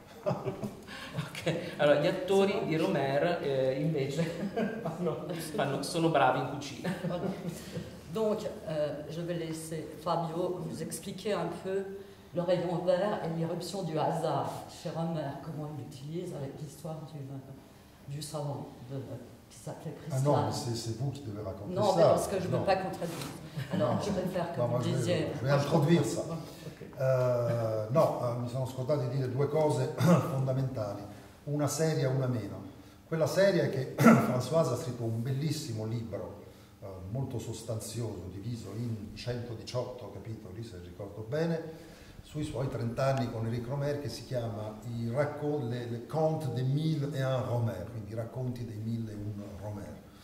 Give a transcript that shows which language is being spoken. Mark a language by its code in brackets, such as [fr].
[it] Ok, allora gli attori di Romer invece sono bravi in cucina. [fr] Donc, je vais laisser Fabio vous expliquer un peu Le rayon vert et l'irruption du hasard chez Romer, comment il l'utilise avec l'histoire du savant qui s'appelait Christian. Ah non, mais c'est vous qui devez raconter non, ça. Non, mais parce que je ne veux pas qu'on traduise. Alors, je préfère que vous disiez. Je vais introduire ça. Okay. [it] No, mi sono scordato di dire due cose fondamentali, una seria e una meno. Quella seria è che Françoise ha scritto un bellissimo libro, molto sostanzioso, diviso in 118 capitoli, se ricordo bene, sui suoi 30 anni con Eric Romer, che si chiama le Conte des Mille et un Romer, quindi racconti dei mille e un Romer.